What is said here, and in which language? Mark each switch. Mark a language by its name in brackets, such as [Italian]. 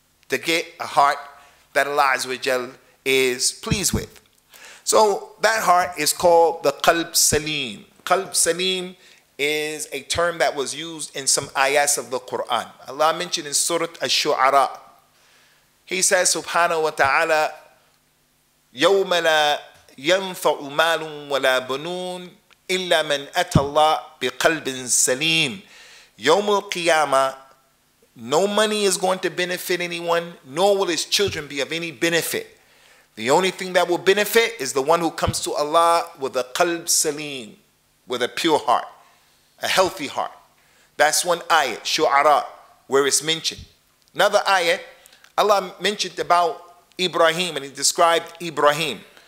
[English] To get a heart that Allah Azza wa Jal is pleased with. So that heart is called the qalb saleem. Qalb saleem is a term that was used in some ayats of the Quran. Allah mentioned in Surah Ash-Shu'ara. He says, [Arabic] subhanahu wa ta'ala, يَوْمَ لَا يَنْفَعُ مَالٌ وَلَا بُنُونَ إِلَّا مَنْ أَتَى اللَّهِ بِقَلْبٍ سَلِيمٍ يَوْمُ الْقِيَامَةِ. [English] No money is going to benefit anyone, nor will his children be of any benefit. The only thing that will benefit is the one who comes to Allah with a qalb saleem, with a pure heart, a healthy heart. That's one ayat, Shu'ara, where it's mentioned. Another ayat, Allah mentioned about Ibrahim, and he described Ibrahim.